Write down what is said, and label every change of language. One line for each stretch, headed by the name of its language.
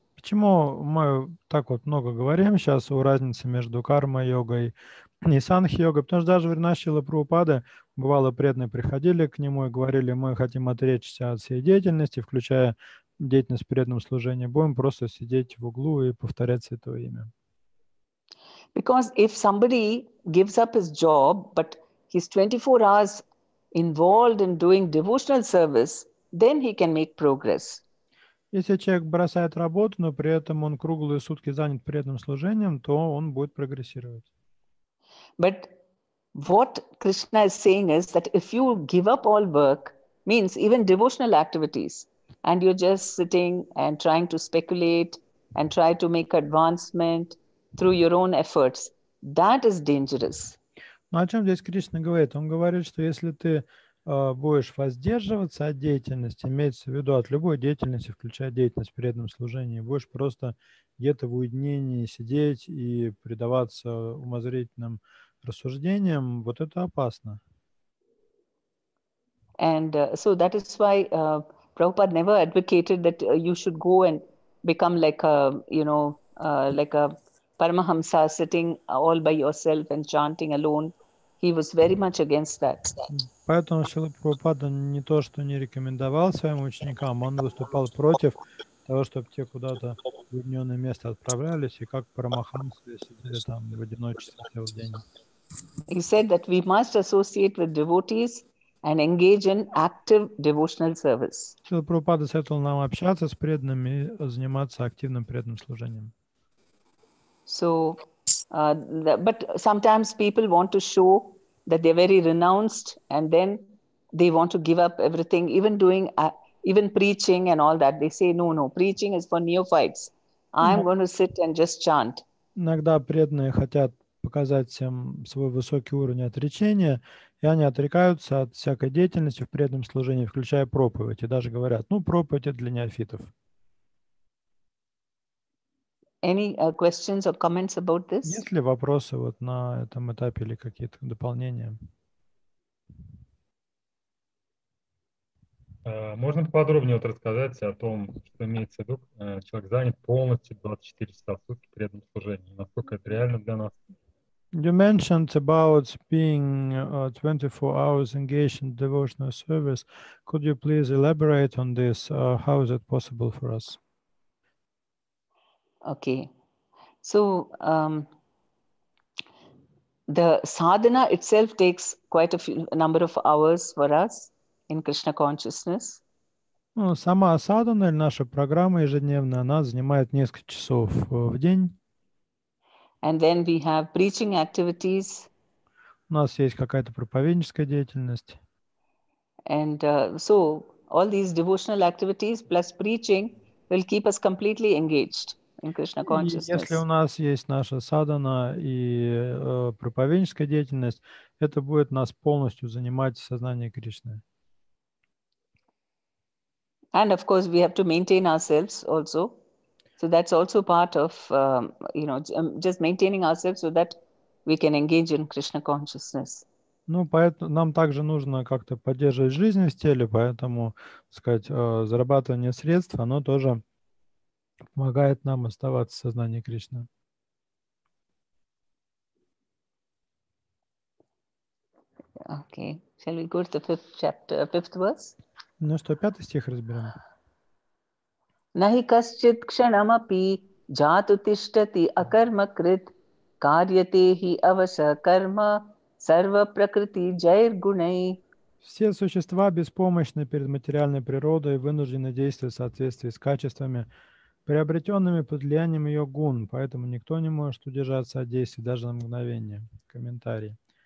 Russian: Почему мы так вот много говорим сейчас о разнице между карма-йогой и санхи-йогой? Потому что даже в Ринашчила Прабхупада бывало преданные приходили к нему и говорили, мы хотим отречься от всей деятельности, включая деятельность в преданном служении, будем просто сидеть в углу и повторять Святое Имя.
English: Because if somebody gives up his job, but he's 24 hours involved in doing devotional service, then he can make progress.
Russian: Если человек бросает работу, но при этом он круглые сутки занят преданным служением, то он будет прогрессировать.
English: But what Krishna is saying is that if you give up all work, means even devotional activities, and you're just sitting and trying to speculate and try to make advancement through your own efforts, that is dangerous.
Russian: Но о чем здесь Кришна говорит? Он говорит, что если ты будешь воздерживаться от деятельности, имеется в виду от любой деятельности, включая деятельность в преданном служении, будешь просто где-то в уединении сидеть и предаваться умозрительным рассуждениям, вот это опасно.
English: And so that is why Prabhupada never advocated that you should go and become like a, you know, like a paramahamsa sitting all by yourself and chanting alone. He was very much against that.
Russian: Поэтому Шрила Прабхупада не то, что не рекомендовал своим ученикам, он выступал против того, чтобы те куда-то в уединенное место отправлялись и как парамахамсы сидели там в одиночестве целый день.
English: He said that we must associate with devotees and engage in active devotional service.
Russian: Шрила Прабхупада советовал нам общаться с преданными и заниматься активным преданным служением.
English: So, but sometimes people want to show that they're very renounced, and then they want to give up everything, even doing, even preaching and all that. They say, no, no, preaching is for neophytes. I'm going to sit and just chant.
Russian: Иногда преданные хотят показать всем свой высокий уровень отречения, и они отрекаются от всякой деятельности в преданном служении, включая проповедь, и даже говорят, ну, проповедь это для неофитов.
English: Any questions or comments about this?
Russian: Есть ли вопросы вот на этом этапе или какие-то дополнения? Можно подробнее вот рассказать о том, что имеется в виду, человек занят полностью 24 часа в сутки при этом служении. Насколько это реально для нас?
English: You mentioned about being 24 hours engaged in devotional service. Could you please elaborate on this? How is it possible for us? Okay, so the sadhana itself takes quite a few number of hours for us in Krishna consciousness.
Russian: Ну, сама садхана или наша программа ежедневная, она занимает несколько часов в день.
English: And then we have preaching activities.
Russian: У нас есть какая-то проповедническая деятельность.
English: And so all these devotional activities plus preaching will keep us completely engaged.
Russian: Если у нас есть наша садхана и проповедническая деятельность, это будет нас полностью занимать в сознании Кришны.
English: And of course, we have to maintain ourselves also. So that's also part of, you know, just maintaining ourselves so that we can engage in Krishna consciousness.
Russian: Ну, поэтому нам также нужно как-то поддерживать жизнь в теле, поэтому, так сказать, зарабатывание средств, оно тоже помогает нам оставаться в сознании Кришны.
English: Okay. Shall we go to the fifth chapter, fifth verse?
Russian: Ну что, пятый стих разберем.
Sanskrit: Нахи касчит кшанамапи джату тиштати акарма крит карьяте хи аваса карма сарва пракрити джайр гунай.
Russian: Все существа беспомощны перед материальной природой и вынуждены действовать в соответствии с качествами, приобретенными под влиянием ее гун, поэтому никто не может удержаться от действий даже на мгновение. Комментарий.